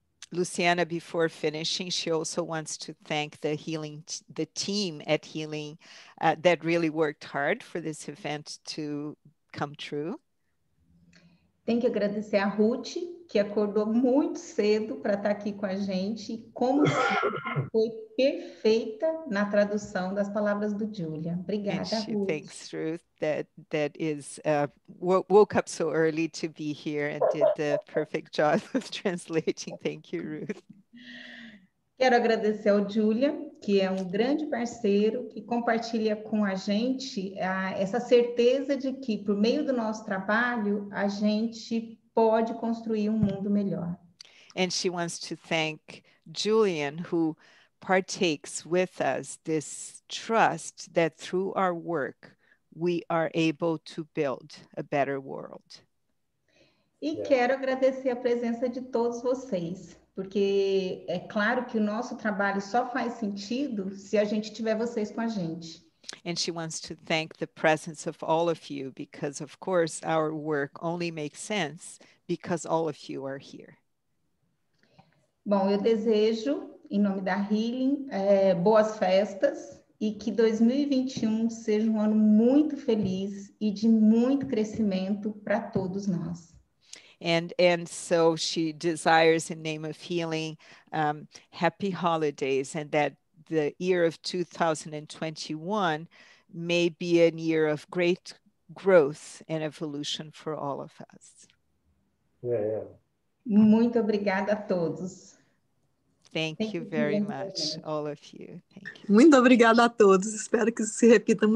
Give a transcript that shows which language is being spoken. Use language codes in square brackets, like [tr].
[en] Luciana, before finishing, she also wants to thank the team at Healing that really worked hard for this event to come true. [pt] Tenho que agradecer a Ruth, que acordou muito cedo para estar aqui com a gente, como foi perfeita na tradução das palavras do Julia. Obrigada, [en] Ruth. And she Ruth. Thanks Ruth that is woke up so early to be here and did the perfect job of translating. Thank you, Ruth. [pt] Quero agradecer ao Julia, que é um grande parceiro, que compartilha com a gente essa certeza de que, por meio do nosso trabalho, a gente pode construir mundo melhor. [en] And she wants to thank Julian, who partakes with us this trust that through our work, we are able to build a better world. [pt] E quero agradecer a presença de todos vocês, porque é claro que o nosso trabalho só faz sentido se a gente tiver vocês com a gente. [en] And she wants to thank the presence of all of you, because of course our work only makes sense because all of you are here. [pt] Bom, eu desejo, em nome da Healing, boas festas e que 2021 seja ano muito feliz e de muito crescimento para todos nós. [en] And so she desires, in name of Healing, happy holidays, and that the year of 2021 may be a year of great growth and evolution for all of us. Yeah. [pt] Muito obrigada a todos. [en] Thank you very much, all of you. Thank you. [pt] Muito obrigada a todos. Espero que isso se repita.